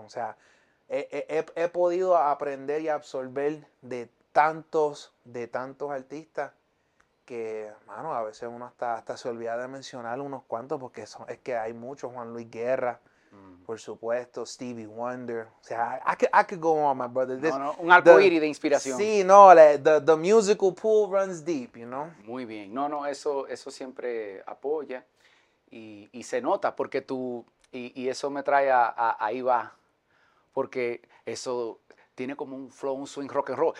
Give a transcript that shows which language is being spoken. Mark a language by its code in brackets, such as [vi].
[es] O sea, he podido aprender y absorber de tantos artistas que, mano, a veces uno hasta se olvida de mencionar unos cuantos porque es que hay muchos, Juan Luis Guerra. Por supuesto, Stevie Wonder. O sea, [en] I could go on, my brother. [es] Un arcoíris de inspiración. Sí, no, [en] the musical pool runs deep, you know. [es] Muy bien. No, eso siempre apoya y se nota porque tú, y eso me trae a ahí va, porque eso tiene como un flow, un swing rock and roll.